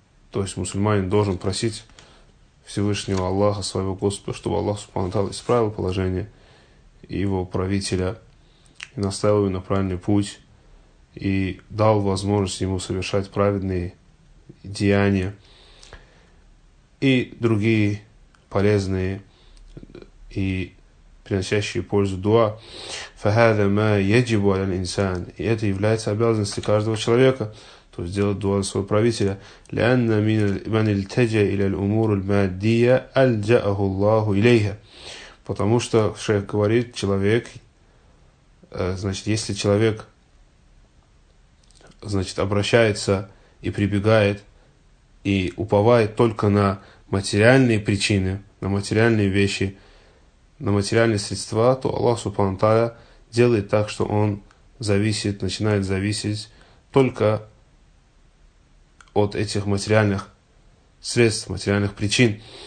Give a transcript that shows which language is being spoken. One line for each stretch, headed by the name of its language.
Russian: То есть мусульманин должен просить Всевышнего Аллаха, своего Господа, чтобы Аллах Субхану Тааля исправил положение его правителя и наставил его на правильный путь и дал возможность ему совершать праведные деяния и другие полезные и приносящие пользу дуа.
Arabic: فَهَذَا مَا يَجِبُ عَلَى الْإِنسَانِ.
Russian: И это является обязанностью каждого человека, то есть делать дуа своего правителя.
Arabic: لأن من التجا إلى الأمور المادية ألجأه الله إليها.
Russian: Потому что шейх говорит, человек, значит, если человек, значит, обращается и прибегает и уповает только на материальные причины, на материальные вещи, на материальные средства, то Аллах Субхану Тааля делает так, что он зависит, начинает зависеть только от этих материальных средств, материальных причин.